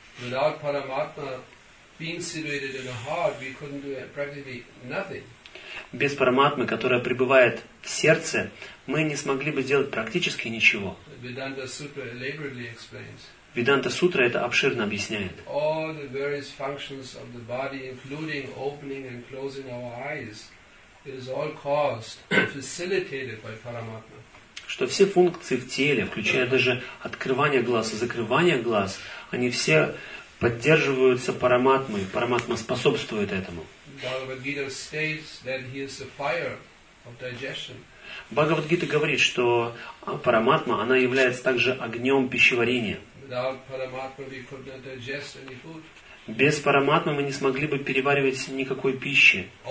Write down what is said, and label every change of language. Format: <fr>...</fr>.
<en>Without Paramatma being situated in the heart, we couldn't do practically nothing.</en> <ru>Без Параматмы, которая пребывает в сердце, мы не смогли бы сделать практически ничего.</ru> <en>Vedanta Sutra elaborately explains.</en> <ru>Веданта Сутра это обширно объясняет.</ru> <en>All the various functions of the body, including opening and closing our eyes. It is all caused, facilitated by Paramatma.</en> <ru>Что все функции в теле, включая даже открывание глаз и закрывание глаз, они все поддерживаются Параматмой. Параматма способствует этому.</ru> <en>Бхагавад-гита states that he is the fire of digestion.</en> <ru>Бхагавад-гита говорит, что Параматма, она является также огнем пищеварения.</ru> <en>Without Paramatma, we could not digest any food.</en> <ru>Без Параматмы мы не смогли бы переваривать никакой пищи.</ru>